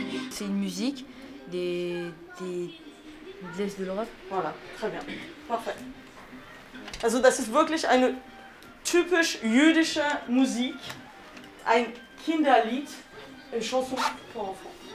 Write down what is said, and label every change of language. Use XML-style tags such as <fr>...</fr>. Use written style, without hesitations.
<fr>c'est une musique de l'Est de l'Europe. Voilà, très bien. Parfait.</fr> <de>Also, das ist wirklich eine typisch jüdische Musik. Ein Kinderlied,</de> <fr>une chanson pour enfants.</fr>